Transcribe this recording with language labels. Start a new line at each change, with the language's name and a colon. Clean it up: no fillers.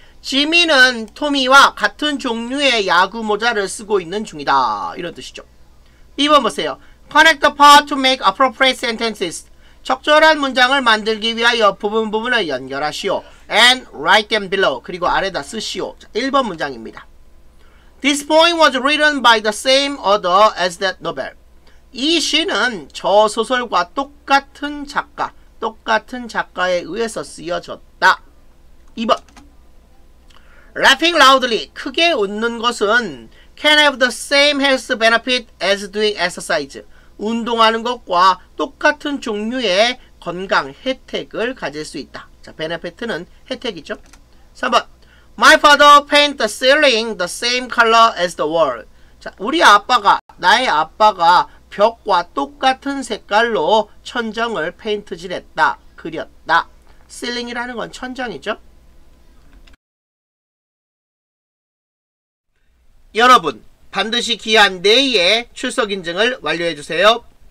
Korean: 지미는 토미와 같은 종류의 야구 모자를 쓰고 있는 중이다. 이런 뜻이죠. 2번 보세요.
English: Connect the part to make appropriate sentences.
Korean: 적절한 문장을 만들기 위하여 부분 부분을 연결하시오.
English: And write them below.
Korean: 그리고 아래다 쓰시오. 자, 1번 문장입니다.
English: This poem was written by the same author as that novel.
Korean: 이 시는 저 소설과 똑같은 작가에 의해서 쓰여졌다.
English: 2번. Laughing loudly,
Korean: 크게 웃는 것은
English: can have the same health benefit as doing exercise.
Korean: 운동하는 것과 똑같은 종류의 건강 혜택을 가질 수 있다. 자, benefit는 혜택이죠. 3번.
English: My father paint the ceiling the same color as the wall.
Korean: 자, 나의 아빠가 벽과 똑같은 색깔로 천장을 페인트진했다. 그렸다. ceiling이라는 건 천장이죠. 여러분, 반드시 기한 내에 출석 인증을 완료해 주세요.